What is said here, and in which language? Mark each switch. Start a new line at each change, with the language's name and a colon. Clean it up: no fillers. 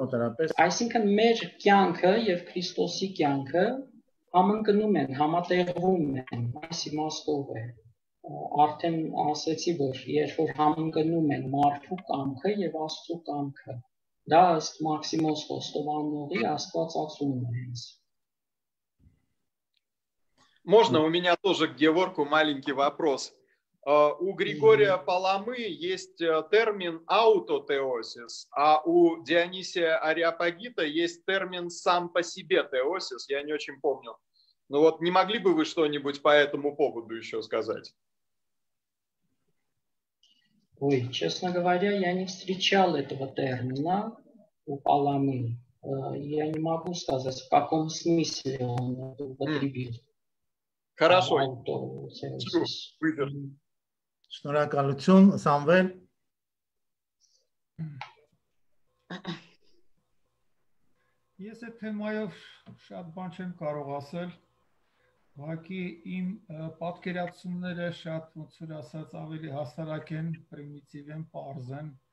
Armenian: մոտերապես, այսինքն մեր կյանքը եւ Քրիստոսի կյանքը համընկնում են, համատեղվում են, այս իմաստով է արդեն ասեցի, որ երբ որ համընկնում են մարդու կամքը եւ Աստծո կամքը, դա ըստ Մաքսիմոս Խոստովանողի աստվածացումն է։
Russian: Можно у меня тоже к Геворку маленький вопрос. У Григория Паламы есть термин аутотеосис, а у Дионисия Ареопагита есть термин сам по себе теосис, я не очень помню. Ну вот не могли бы вы что-нибудь по этому поводу еще сказать? Ой, честно говоря, я не встречал этого термина у Паламы. Я не могу сказать, в каком смысле он это употребил. Хорошо. Аутотеосис.
Armenian: Շնորհակալություն, Սամվել։ Ես այդ թեմայով շատ բան չեմ կարող ասել, ուղղակի իմ պատկերացումները շատ, ոնց որ ասած, ավելի հասարակ են, պրիմիտիվ են, պարզ են։